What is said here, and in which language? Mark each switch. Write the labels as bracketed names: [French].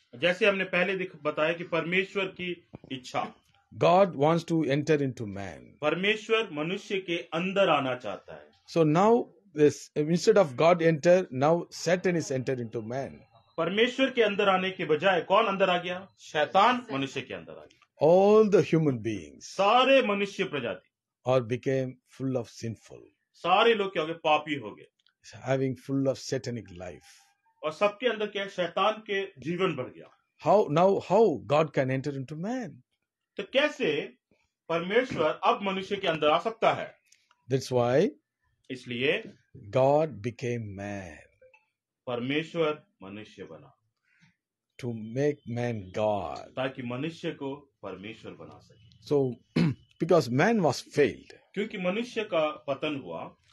[Hindi] जैसे हमने पहले बताया कि परमेश्वर की इच्छा. [English] God wants to enter into man. [Hindi] परमेश्वर मनुष्य के अंदर आना चाहता है. [English] So now this, instead of God enter, now Satan is entered into man. [Hindi] परमेश्वर के अंदर आने के बजाय कौन अंदर आ गया? शैतान मनुष्य के अंदर आ गया. [English] All the human beings, [Hindi] सारे मनुष्य प्रजाति, [English] और became full of sinful. [Hindi] सारे लोग क्या हो गए? पापी हो गए. [English] Having full of satanic life. [Hindi] और सबके अंदर क्या है? शैतान के जीवन भर गया. [English] how God can enter into man. [Hindi] तो कैसे परमेश्वर अब मनुष्य के अंदर आ सकता है? [English] That's why. [Hindi] इसलिए. [English] God became man. [Hindi] परमेश्वर मनुष्य बना. [English] To make man God. [Hindi] ताकि मनुष्य को परमेश्वर बना सके. [English] So, because man was failed. [Hindi] क्योंकि मनुष्य का पतन हुआ.